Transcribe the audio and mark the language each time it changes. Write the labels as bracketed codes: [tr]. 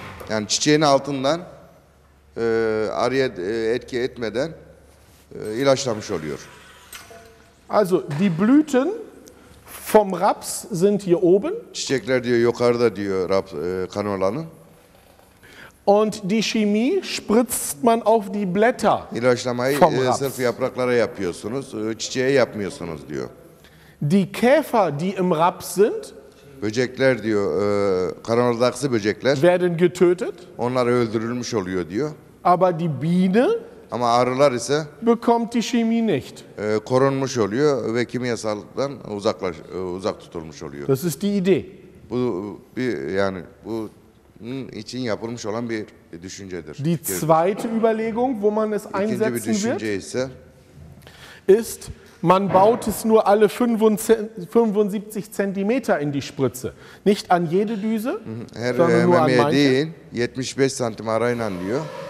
[tr] Yani çiçeğin altından araya etki etmeden ilaçlamış oluyor. [de] Also die Blüten vom Raps sind hier oben. [tr] Çiçekler diyor yukarıda diyor Raps kanolanın. [de] Und die Chemie spritzt man auf die Blätter. [tr] İlaçlamayı [de] vom Raps. [tr] Sırf yapraklara yapıyorsunuz, çiçeğe yapmıyorsunuz diyor. [de] Die Käfer, die im Raps sind, [tr] böcekler diyor, kanaldaksı böcekler. [de] Werden getötet. [tr] Onlar öldürülmüş oluyor diyor. [de] Aber die Biene, [tr] ama arılar ise [de] bekommt die Chemie nicht. [tr] Korunmuş oluyor ve kimyasaldan uzak tutulmuş oluyor. [de] Das ist die Idee. [tr] Bu bir yani bunun için yapılmış olan bir düşüncedir. [de] Die zweite Überlegung, wo man es einsetzen wird, [tr] ikinci bir düşünce ise, [de] ist man baut es nur alle 75 cm in die Spritze. Nicht an jede Düse, sondern nur an manche. [tr] 75 cm arayla diyor.